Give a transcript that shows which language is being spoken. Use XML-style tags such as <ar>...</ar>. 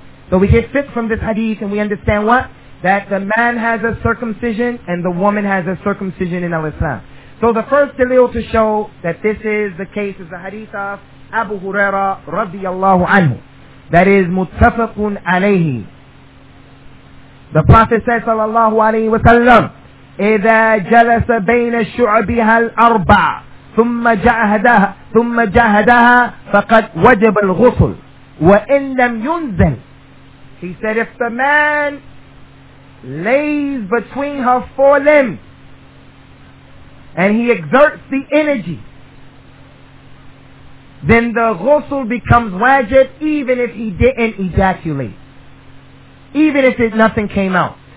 <en>So we get fit from this hadith and we understand what? That the man has a circumcision and the woman has a circumcision in al-Islam. So the first dalil to show that this is the case is the hadith of Abu Huraira radiyallahu anhu. That is muttafaqun alayhi. The Prophet said sallallahu alayhi wa sallam,</en> <ar>إذا جلس بين شعبها الأربع ثم جاهدها فقد وجب الغسل وإن لم ينزل.</ar> <en>He said, if the man lays between her four limbs and he exerts the energy, then the ghusl becomes wajib even if he didn't ejaculate, even if nothing came out.</en>